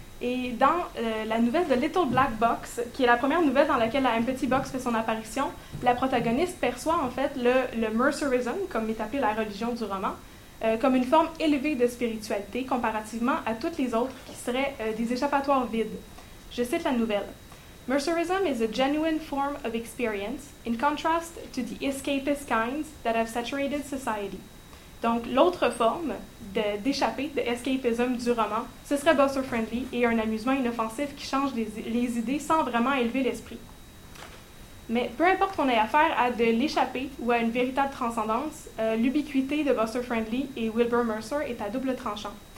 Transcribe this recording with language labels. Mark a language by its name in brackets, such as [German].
[French] Et dans la nouvelle de Little Black Box, qui est la première nouvelle dans laquelle la Empathy Box fait son apparition, la protagoniste perçoit en fait le Mercerism, comme est appelée la religion du roman, comme une forme élevée de spiritualité comparativement à toutes les autres qui seraient des échappatoires vides. Je cite la nouvelle. [English] Mercerism is a genuine form of experience in contrast to the escapist kinds that have saturated society. [French] Donc, l'autre forme d'échapper, d'escapism du roman, ce serait Buster Friendly et un amusement inoffensif qui change les idées sans vraiment élever l'esprit. Mais peu importe qu'on ait affaire à de l'échapper ou à une véritable transcendance, l'ubiquité de Buster Friendly et Wilbur Mercer est à double tranchant.